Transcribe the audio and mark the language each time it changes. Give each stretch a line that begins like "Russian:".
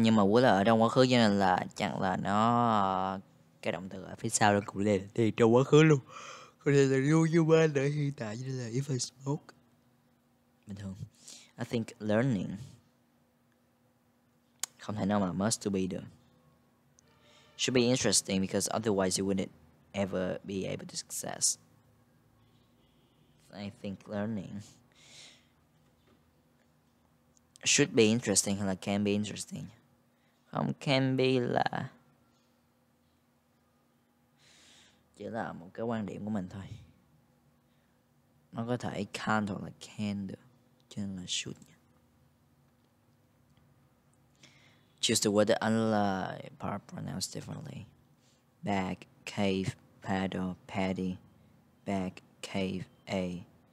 Vietnamese: Nhưng mà would là ở trong quá khứ cho nên là chẳng là nó cái động từ ở phía sau nó cũng lên thì trong quá khứ luôn. Còn đây là do you mind ở hiện tại cho nên là if I smoke.
English: Bình thường. I think learning.
Vietnamese: Không thể nào mà must to be được.
English: Should be interesting because otherwise you wouldn't ever be able to success. I think learning should be interesting, hay là can be interesting.
Vietnamese: Không, can be là chỉ là một cái quan điểm của mình thôi. Nó có thể can't hoặc là can được, cho nên là should.
English: Choose the word unlike part pronounced differently. Bag, cave, paddle, paddy, bag, cave, a.